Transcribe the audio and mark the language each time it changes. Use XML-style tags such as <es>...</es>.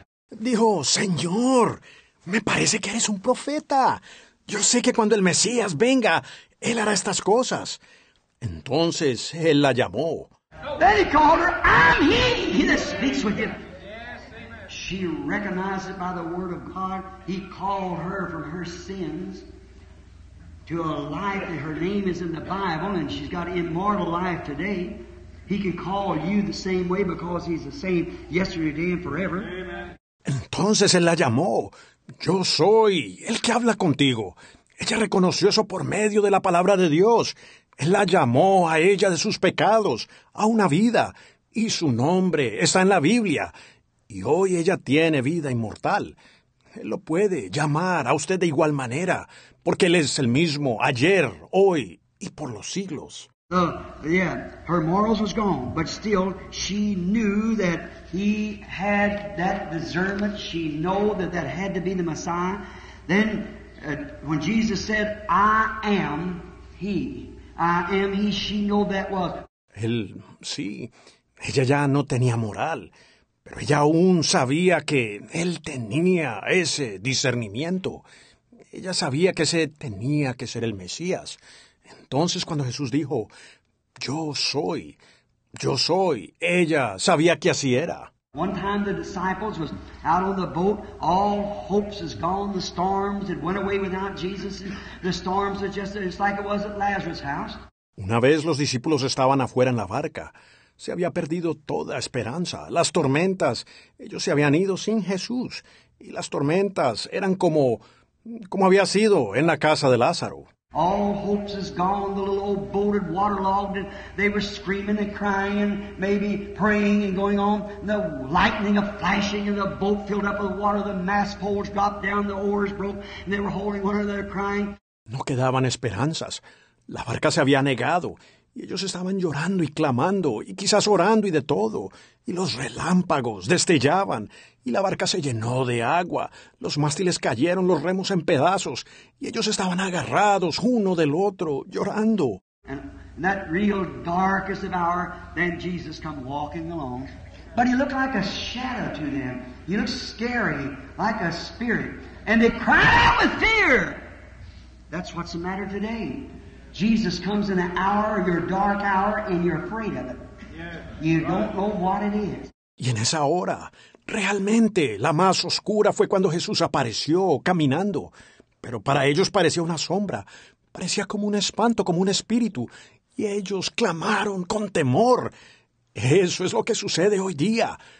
<es>Dijo, "Señor, me parece que eres un profeta. Yo sé que cuando el Mesías venga, él hará estas cosas." Entonces él la llamó.</es> <en>Then he called her, "I'm he, he that speaks with you." Yes, amen. She recognized it by the word of God. He called her from her sins to a life that her name is in the Bible, and she's got immortal life today. He can call you the same way because he's the same yesterday, today, and forever. Amen.</en> <es>Entonces él la llamó. Yo soy el que habla contigo. Ella reconoció eso por medio de la palabra de Dios. Él la llamó a ella de sus pecados, a una vida, y su nombre está en la Biblia. Y hoy ella tiene vida inmortal. Él lo puede llamar a usted de igual manera, porque él es el mismo ayer, hoy y por los siglos.</es> <en>Her morals was gone, but still she knew that he had that discernment. She knew that that had to be the Messiah. Then when Jesus said, I am he, she knew that was.</en> <es>Él, sí, ella ya no tenía moral, pero ella aún sabía que él tenía ese discernimiento. Ella sabía que ese tenía que ser el Mesías. Entonces, cuando Jesús dijo, yo soy, ella sabía que así era.</es> <en>One time the disciples was out on the boat, all hopes is gone, the storms had went away without Jesus, the storms are just like it was at Lazarus' house.</en> <es>Una vez los discípulos estaban afuera en la barca, se había perdido toda esperanza, las tormentas, ellos se habían ido sin Jesús, y las tormentas eran como había sido en la casa de Lázaro.</es> <en>All hopes is gone, the little old boat had waterlogged, and they were screaming and crying, and maybe praying and going on, and the lightning of flashing, and the boat filled up with water, the mast poles dropped down, the oars broke, and they were holding one another crying.</en> <es>No quedaban esperanzas. La barca se había negado, y ellos estaban llorando y clamando, y quizás orando y de todo, y los relámpagos destellaban, y la barca se llenó de agua, los mástiles cayeron, los remos en pedazos, y ellos estaban agarrados uno del otro, llorando.</es> <en>In that real darkest of hour, then Jesus come walking along, but he looked like a shadow to them, he looked scary, like a spirit, and they cried out with fear. That's what's the matter today. Jesus comes in an hour, your dark hour, and you're afraid of it. You don't know what it is.</en> <es>Y en esa hora, realmente, la más oscura fue cuando Jesús apareció caminando. Pero para ellos parecía una sombra, parecía como un espanto, como un espíritu. Y ellos clamaron con temor. Eso es lo que sucede hoy día.</es>